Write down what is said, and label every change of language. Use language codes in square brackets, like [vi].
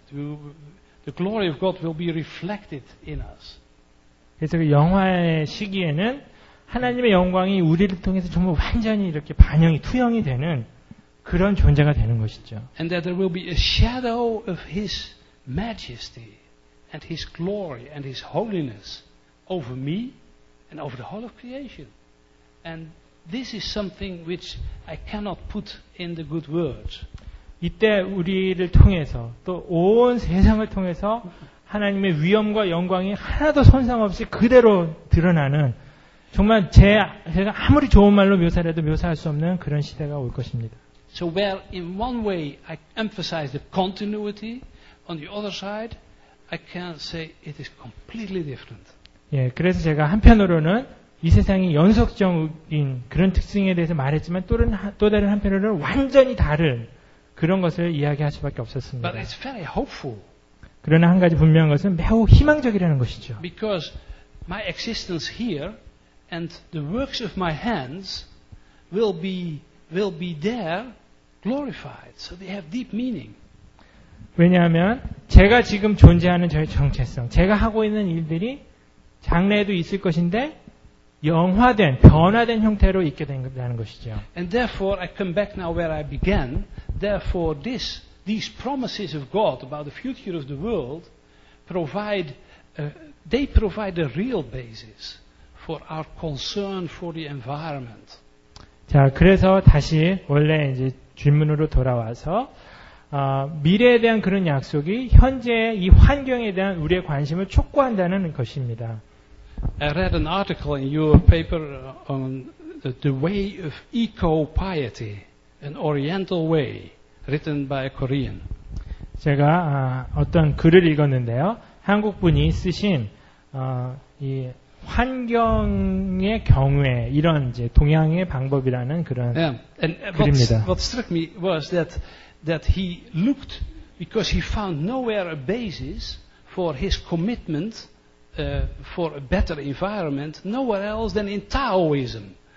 [en] The glory of God will be reflected in us. [ko] 그래서 그 영화의 시기에는 하나님의 영광이 우리를 통해서 전부 완전히 이렇게 반영이 투영이 되는 그런 존재가 되는 것이죠. [en] And that there will be a shadow of His majesty and His glory and His holiness over me and over the whole of creation. And this is something which I cannot put in the good words. [ko] 이때 우리를 통해서 또 온 세상을 통해서 하나님의 위엄과 영광이 하나도 손상없이 그대로 드러나는 정말 제가 아무리 좋은 말로 묘사해도 묘사할 수 없는 그런 시대가 올 것입니다. [en] So where in one way I emphasize the continuity, on the other side I can say it is completely different. [ko] 예, 그래서 제가 한편으로는 이 세상이 연속적인 그런 특징에 대해서 말했지만 또 다른 한편으로는 완전히 다른 그런 것을 이야기할 수밖에 없었습니다. [en] But it's very hopeful. [ko] 그러나 한 가지 분명한 것은 매우 희망적이라는 것이죠. [en] Because my existence here and the works of my hands will be there glorified. So they have deep meaning. [ko] 왜냐하면 제가 지금 존재하는 저의 정체성, 제가 하고 있는 일들이 장래에도 있을 것인데 영화된, 변화된 형태로 있게 된다는 것이죠. [en] And therefore, I come back now where I began. Therefore, these promises of God about the future of the world provide a real basis for our concern for the environment. [ko] 자, 그래서 다시 원래 이제 질문으로 돌아와서 미래에 대한 그런 약속이 현재의 이 환경에 대한 우리의 관심을 촉구한다는 것입니다. [en] I read an article in your paper on the way of eco-piety, an oriental way, written by a Korean. [ko] 제가 어떤 글을 읽었는데요. 한국 분이 쓰신 이 환경의 경외, 이런 이제 동양의 방법이라는 그런 글입니다. [en] What struck me was that he looked, because he found nowhere a basis for his commitment for a better environment, nowhere else than in Taoism.